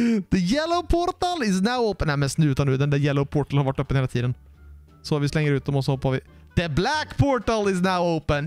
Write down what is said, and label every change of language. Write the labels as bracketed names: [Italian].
[English] The yellow portal is now open. [Swedish] Nej, men snuta nu. Den där yellow portal har varit öppen hela tiden. Så vi slänger ut dem och så hoppar vi. [English] The black portal is now open.